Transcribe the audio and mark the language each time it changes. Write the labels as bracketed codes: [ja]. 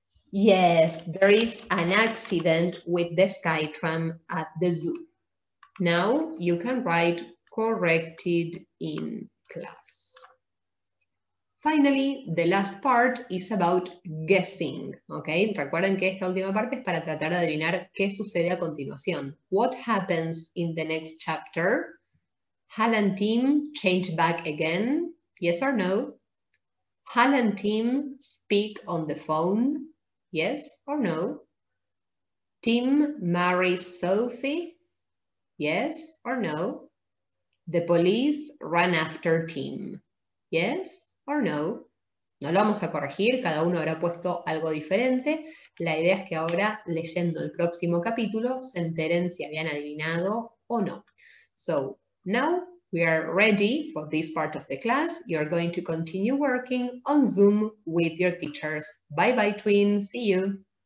[en] Yes, there is an accident with the Skytram at the zoo. Now you can write corrected in class. Finally, the last part is about guessing, okay? [es] Recuerden que esta última parte es para tratar de adivinar qué sucede a continuación. [en] What happens in the next chapter? Hal and Tim change back again, yes or no? Hal and Tim speak on the phone, yes or no? Tim marries Sophie, yes or no? The police run after Tim, yes? Or no. [es] No lo vamos a corregir, cada uno habrá puesto algo diferente. La idea es que ahora, leyendo el próximo capítulo, se enteren si habían adivinado o no. [en] So, now we are ready for this part of the class. You're going to continue working on Zoom with your teachers. Bye bye, twins. See you.